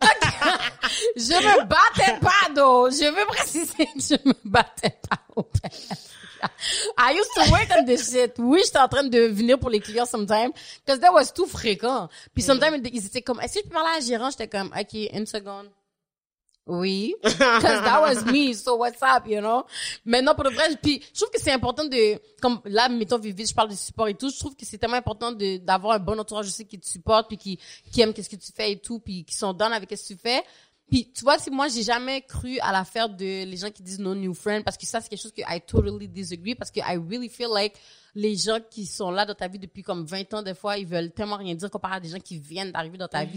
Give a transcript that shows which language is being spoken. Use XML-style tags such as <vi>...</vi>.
<fr>Okay. Je me battais pas, donc. Je veux préciser que je me battais pas au PFK.</fr> <en>I used to work on this shit. Oui, j'étais en train de venir pour les clients sometimes, because that was too fréquent.</en> <fr>Puis sometimes, ils étaient comme, est-ce que je peux parler à la gérante? J'étais comme, OK, une seconde.</fr> <en>Oui, because that was me, so what's up, you know?</en> <fr>Maintenant, pour le vrai, puis je trouve que c'est important de, comme là, mettons, Vivid, je parle de support et tout, je trouve que c'est tellement important d'avoir un bon entourage, je sais, qui te supporte, puis qui aime qu'est-ce que tu fais et tout, puis qui sont down avec qu'est-ce que tu fais. Puis tu vois, si moi, j'ai jamais cru à l'affaire de les gens qui disent no new friend, parce que ça, c'est quelque chose que I totally disagree, parce que I really feel like les gens qui sont là dans ta vie depuis comme 20 ans, des fois, ils veulent tellement rien dire comparé à des gens qui viennent d'arriver dans ta vie.</fr>